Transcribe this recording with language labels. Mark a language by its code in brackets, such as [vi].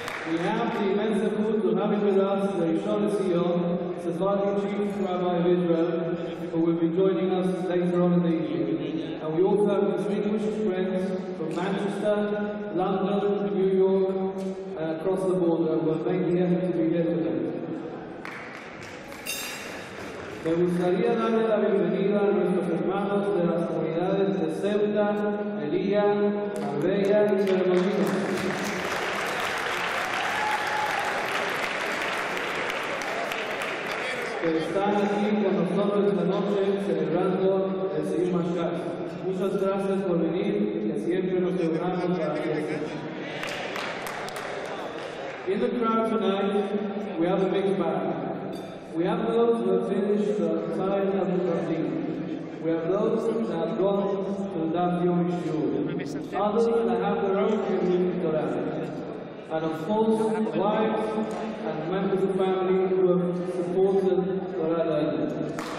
[en] We have the immense support of having with us the Rishon Siyum, Sephardi Chief Rabbi of Israel, who will be joining us later on in the evening. And we also have distinguished friends from Manchester, London, New York, across the border, who are making effort to be here today. [es] Me gustaría darle la bienvenida a nuestros hermanos de las comunidades de Ceuta, Melilla, Marbella y Cerdeña. Que están aquí con nosotros esta noche celebrando el Siyum Hashem. Muchas gracias por venir y que siempre nos reunamos para la fiesta. [en] In the crowd tonight, we have a big bag. We have those who have finished the Tzayin of the Tzadim. We have those that have gone to the Daf Yomi Shul. Others that have their own community Torah. And of course, wives and members of family who have supported Torah learning.